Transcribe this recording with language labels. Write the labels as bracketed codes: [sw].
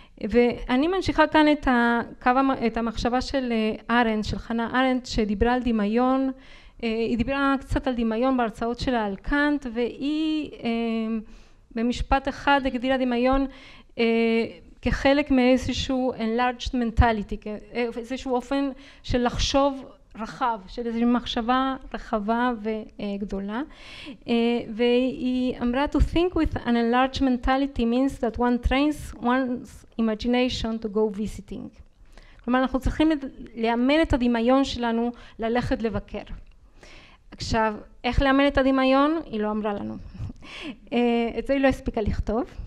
[he] ואני ממשיכה כאן את הקו, את המחשבה של ארנט, של חנה ארנט, שדיברה על דמיון, היא דיברה קצת על דמיון בהרצאות שלה על קאנט, והיא במשפט אחד הגדירה דמיון כחלק מאיזשהו enlarged mentality, איזשהו אופן של לחשוב רחב, של איזושהי מחשבה רחבה וגדולה. והיא אמרה, [en] to think with an enlarged mentality means that one trains one's imagination to go visiting. [he] כלומר, אנחנו צריכים לאמן את הדמיון שלנו ללכת לבקר. עכשיו, איך לאמן את הדמיון? היא לא אמרה לנו. את זה היא לא הספיקה לכתוב.